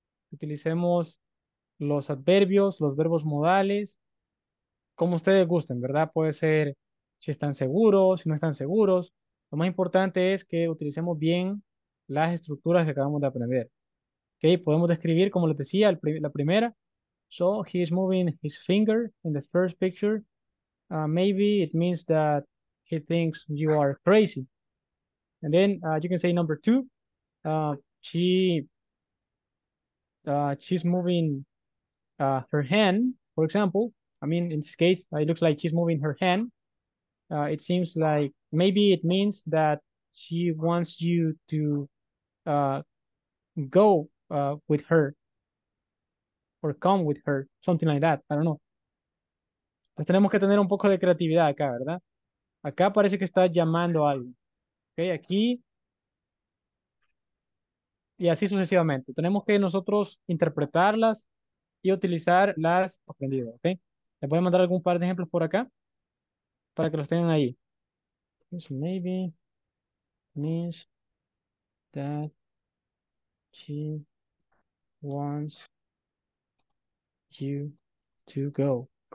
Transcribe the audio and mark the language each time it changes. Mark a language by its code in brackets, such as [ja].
[es] Utilicemos los adverbios, los verbos modales, como ustedes gusten, ¿verdad? Puede ser si están seguros, si no están seguros. Lo más importante es que utilicemos bien las estructuras que acabamos de aprender. ¿Okay? Podemos describir, como les decía, la primera. [en] So, he is moving his finger in the first picture. Maybe it means that he thinks you are crazy. And then you can say number two. She's moving her hand, for example. I mean, in this case, it looks like she's moving her hand. It seems like maybe it means that she wants you to go with her or come with her, something like that. I don't know. [es] Entonces tenemos que tener un poco de creatividad acá, ¿verdad? Acá parece que está llamando a alguien. Okay, aquí. Y así sucesivamente. Tenemos que nosotros interpretarlas y utilizar las aprendidas. Okay. Les voy a mandar algún par de ejemplos por acá para que los tengan ahí. [en] This maybe means that she wants you to go.